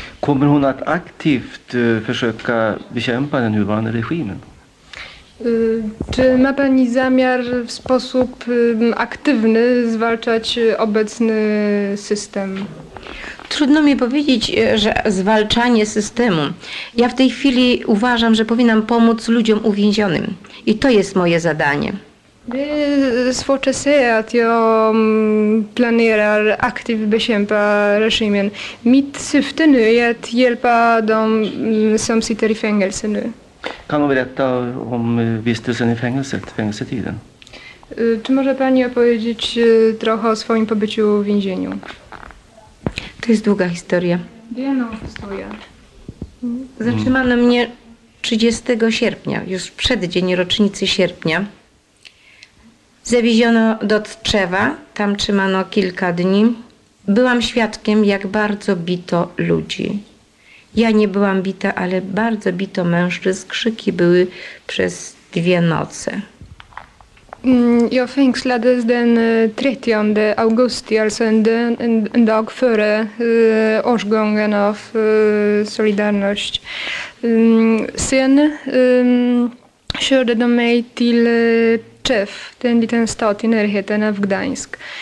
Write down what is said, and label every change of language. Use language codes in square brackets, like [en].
[sv] Kommer hon att aktivt försöka bekämpa den nuvarande regimen? [pl] Czy ma pani zamiar w sposób aktywny zwalczać obecny system? Trudno mi powiedzieć, że zwalczanie systemu. Ja w tej chwili uważam, że powinnam pomóc ludziom uwięzionym. I to jest moje zadanie. [sv] Det är svårt att säga att jag planerar aktivt bekämpa regimen. Mitt syfte nu är att hjälpa dem som sitter i fängelse nu. Kan du berätta om vistelsen i fängelsetiden? [pl] Czy może pani opowiedzieć trochę o swoim pobyciu w więzieniu? To jest długa historia. Wielka historia. Zatrzymano mnie 30 sierpnia, już przed dzień rocznicy sierpnia. Zawieziono do Tczewa, tam trzymano kilka dni. Byłam świadkiem, jak bardzo bito ludzi. Ja nie byłam bita, ale bardzo bito mężczyzn. Krzyki były przez 2 noce. [sv] Jag fängslades den 30 augusti, alltså en dag före årsgången av Solidarność. Sen körde de mig till Tchew, en liten stad i närheten av Gdańsk.